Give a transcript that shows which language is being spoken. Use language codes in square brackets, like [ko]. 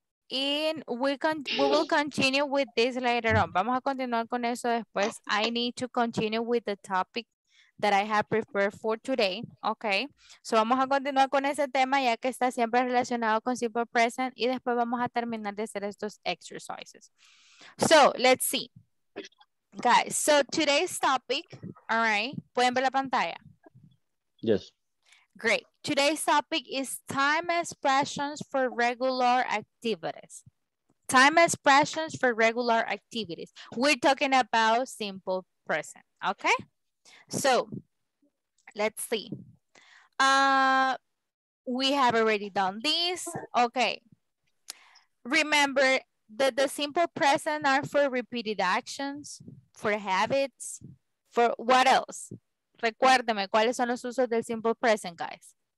[en] And we will continue with this later on. [es] Vamos a continuar con eso después. [en] I need to continue with the topic that I have prepared for today. Okay. [es] So vamos a continuar con ese tema ya que está siempre relacionado con simple present. Y después vamos a terminar de hacer estos exercises. [en] So let's see. Guys, so today's topic. All right. [es] ¿Pueden ver la pantalla? [en] Yes. Great. Today's topic is time expressions for regular activities. time expressions for regular activities. We're talking about simple present, okay? So, let's see. We have already done this, okay. Remember that the simple present are for repeated actions, for habits, for what else? [es] Recuérdeme, ¿cuáles son los usos del simple present, guys?